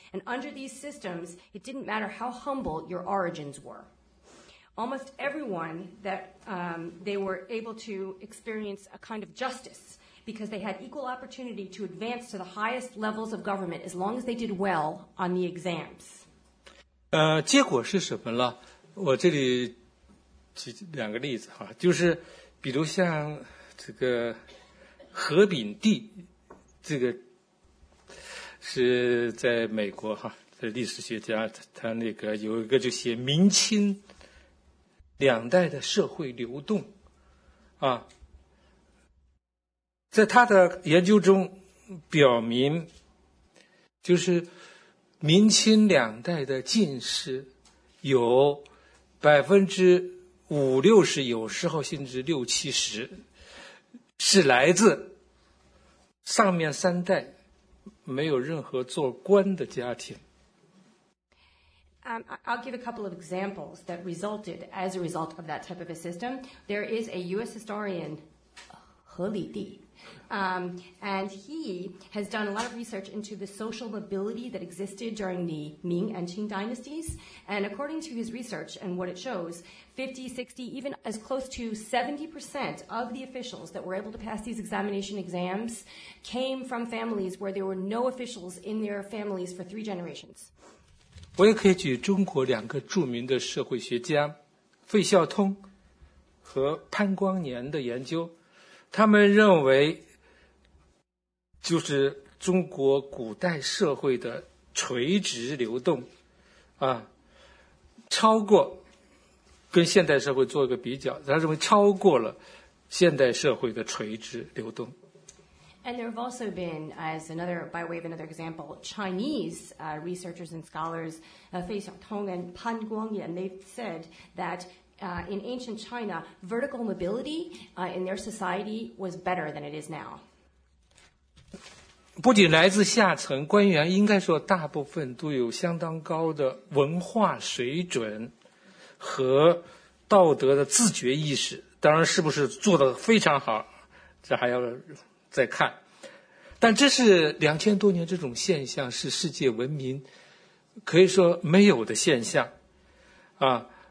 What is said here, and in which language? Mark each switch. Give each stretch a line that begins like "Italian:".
English: And under these systems, it didn't matter how humble your origins were. Almost everyone that they were able to experience a kind of justice because they had equal opportunity to advance to the highest levels of government as long as they did well on the exams.
Chinese: 结果是什么了？我这里举两个例子哈，就是比如像这个何炳棣，这个是在美国哈，这历史学家他那个有一个就写明清。两代的社会流动啊，在他的研究中表明，就是明清两代的进士有50%-60%，有时候甚至60-70%是来自上面三代没有任何做官的家庭。
English: I'll give a couple of examples that resulted as a result of that type of a system. There is a U.S. historian, He Li Di, and he has done a lot of research into the social mobility that existed during the Ming and Qing dynasties. And according to his research and what it shows, 50, 60, even as close to 70% of the officials that were able to pass these examination exams came from families where there were no officials in their families for three generations.
Chinese: 我也可以举中国两个著名的社会学家费孝通和潘光年的研究，他们认为就是中国古代社会的垂直流动啊，超过跟现代社会做一个比较，他认为超过了现代社会的垂直流动。
English: And there have also been, as another, by way of another example, Chinese researchers and scholars, Fei Xiaotong and Pan Guangyan, they've said that in ancient China, vertical mobility in their society was better than it is now.
Chinese: 不仅来自下层官员，应该说大部分都有相当高的文化水准和道德的自觉意识。当然，是不是做得非常好，这还要再看，但这是两千多年这种现象是世界文明可以说没有的现象啊。